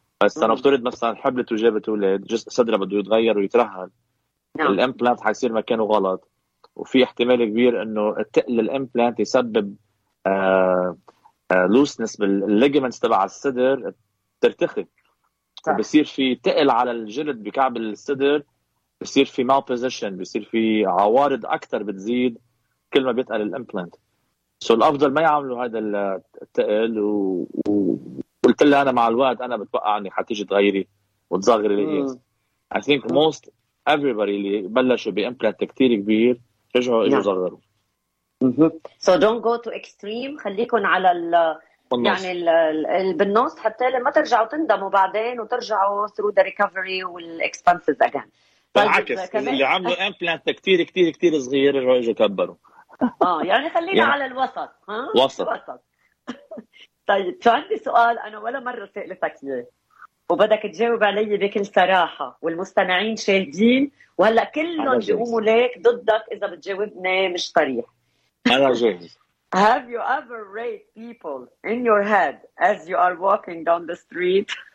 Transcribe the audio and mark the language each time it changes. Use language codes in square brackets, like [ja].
[ar] بس انا افترض مثلا حبلت وجابت اولاد، جسم صدره بده يتغير ويترهل، الامبلانت حيصير مكانه غلط، وفي احتمال كبير انه تقل الامبلانت يسبب لوسنس بالليجمنتس تبع الصدر ترتخي، بصير في تقل على الجلد بكعب الصدر، بصير في مال بوزيشن، بصير في عوارض اكثر بتزيد كل ما بيتقل الامبلانت. سو الافضل ما يعملوا هذا التقل. وقلت لها انا مع الوقت انا بتوقع اني حتيجي تغيري وتصغري القياس. [en] I think most everybody [ar] اللي بلشوا بامبلانت كثير كبير رجعوا اجوا صغروا. [en] So don't go to extreme، [ar] خليكم على بالنص. يعني بالنص حتى ما ترجعوا تندموا بعدين وترجعوا [en] through the recovery [ar] والاكسبنسز [en] again. [ar] بالعكس اللي عملوا امبلانت كتير كتير كتير صغير رجعوا كبروا. يعني خلينا على الوسط. ها؟ وسط. طيب شو عندي سؤال انا ولا مرة سألتك ليه وبدك تجاوب علي بكل صراحة، والمستمعين شاهدين وهلأ كلهم جاوبوا ليك ضدك اذا بتجاوبني مش طريح. انا جاهز. [en] Have you ever rate people in your head as you are walking down the street?